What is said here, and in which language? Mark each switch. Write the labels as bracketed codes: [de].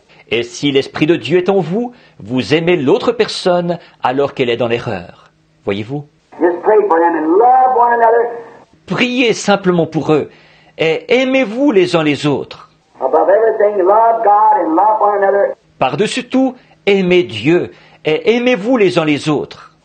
[fr] Et si l'Esprit de Dieu est en vous, vous aimez l'autre personne alors qu'elle est dans l'erreur. Voyez-vous? [en] Just pray for them and love one another. [fr] Priez simplement pour eux et aimez-vous les uns les autres. [en] Above everything, love God and love one another. [fr] Par-dessus tout, aimez Dieu et aimez-vous les uns les autres.